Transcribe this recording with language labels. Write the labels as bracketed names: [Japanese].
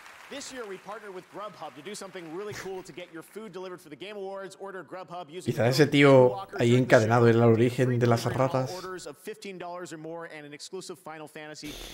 [English] This year we partnered with Grubhub to do something really cool to get your food delivered for the Game Awards. Order Grubhub using. [Spanish] Quizá ese tío ahí encadenado era el origen de las ratas. [English] Orders of $15 or more and an exclusive Final Fantasy.